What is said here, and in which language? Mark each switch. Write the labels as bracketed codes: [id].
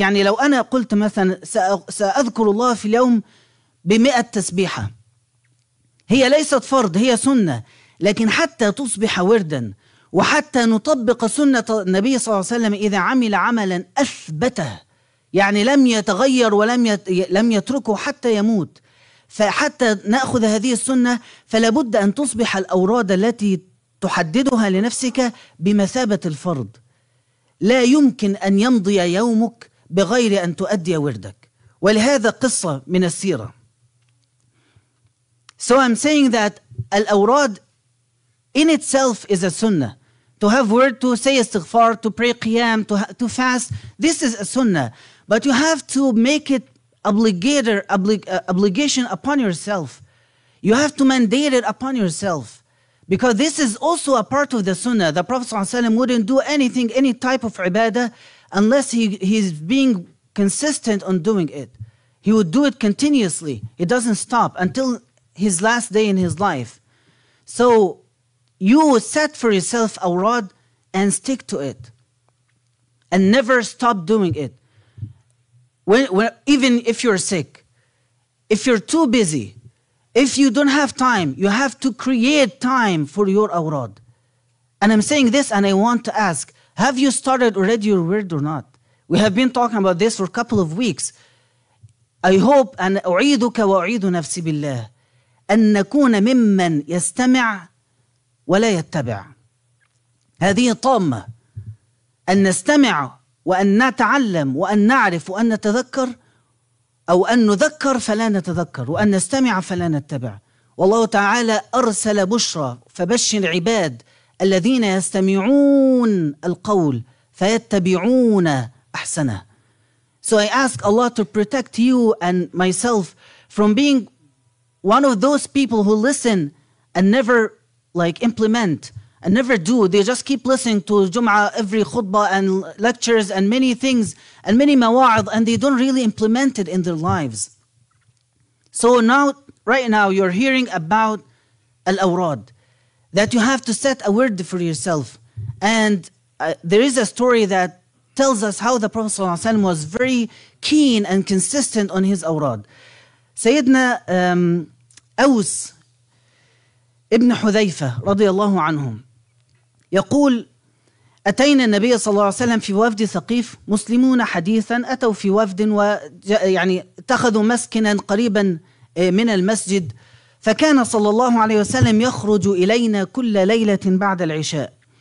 [ar] يعني لو أنا قلت مثلا سأذكر الله في اليوم بمئة تسبيحة، هي ليست فرض، هي سنة، لكن حتى تصبح وردا وحتى نطبق سنة النبي صلى الله عليه وسلم إذا عمل عملا أثبته، يعني لم يتغير ولم يتركه حتى يموت، فحتى نأخذ هذه السنة فلابد أن تصبح الأوراد التي تحددها لنفسك بمثابة الفرض. لا يمكن أن يمضي يومك بغير أن تؤدي وردك. ولهذا قصة من السيرة. [en] So I'm saying that الأوراد in itself is a sunnah. To have word, to say استغفار, to pray قيام, to fast, this is a sunnah. But you have to make it obligation upon yourself. You have to mandate it upon yourself. Because this is also a part of the sunnah. The Prophet ﷺ wouldn't do anything, any type of ibadah, unless he's being consistent on doing it. He would do it continuously. He doesn't stop until his last day in his life. So you set for yourself a rod and stick to it. And never stop doing it. Even if you're sick, If you're too busy, if you don't have time, you have to create time for your awrad. And I'm saying this and I want to ask, have you started already your word or not? We have been talking about this for a couple of weeks. I hope [ar] أن أعيدك وأعيد نفسي بالله أن نكون ممن يستمع ولا يتبع. هذه طامة. أن نستمع وأن نتعلم وأن نعرف وأن نتذكر أو أن نذكر فلا نتذكر وأن نستمع فلا نتبع. والله تعالى أرسل بشرى فبشر عباد الذين يستمعون القول فيتبعون أحسنه. [en] So I ask Allah to protect you and myself from being one of those people who listen and never like implement and never do. They just keep listening to Jum'ah, every khutbah and lectures and many things and many mawa'id, and they don't really implement it in their lives. So now, right now, you're hearing about al-awrad, that you have to set a word for yourself. And there is a story that tells us how the Prophet Sallallahu Alaihi Wasallam was very keen and consistent on his awrad. [ar] Sayyidina Aws ibn Hudhayfa radiyallahu anhum يقول أتينا النبي صلى الله عليه وسلم في وفد ثقيف مسلمون حديثا أتوا في وفد ويعني اتخذوا مسكنا قريبا من المسجد فكان صلى الله عليه وسلم يخرج إلينا كل ليلة بعد العشاء